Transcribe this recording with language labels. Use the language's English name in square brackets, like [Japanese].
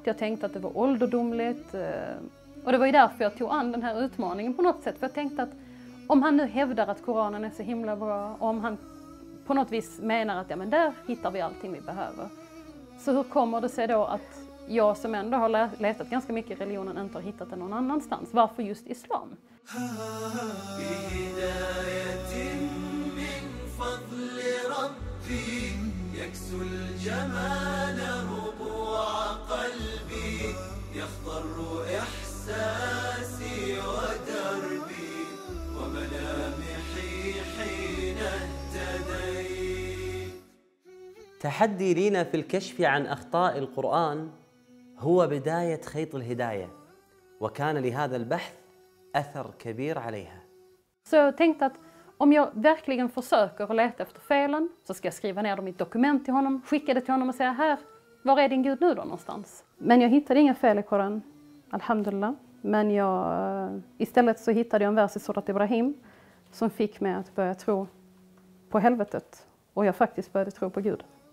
[Swedish] Jag tänkte att det var ålderdomligt. Och det var ju därför jag tog an den här utmaningen på något sätt. För jag tänkte att om han nu hävdar att Koranen är så himla bra. Och om han på något vis menar att ja, men där hittar vi allting vi behöver. Så hur kommer det sig då att jag som ändå har letat ganska mycket religionen inte har hittat den någon annanstans? Varför just islam? [Arabic] بهداية من فضل ربي يكسو الجمال ربوع قلبي يخضر إحساسي ودربي وملامحي حين اهتديت تحدي لينا في الكشف عن أخطاء القرآن هو بداية خيط الهداية وكان لهذا البحث أثر كبير عليها. [Swedish] Så jag tänkte att om jag verkligen försöker att leta efter felen så ska jag skriva ner dem i ett dokument till honom, skicka det till honom och säga här, var är din Gud nu då någonstans? Men jag hittade inga fel i Koran, alhamdulillah. Men jag, istället så hittade jag en vers i Surat Ibrahim som fick mig att börja tro på helvetet. Och jag faktiskt började tro på Gud.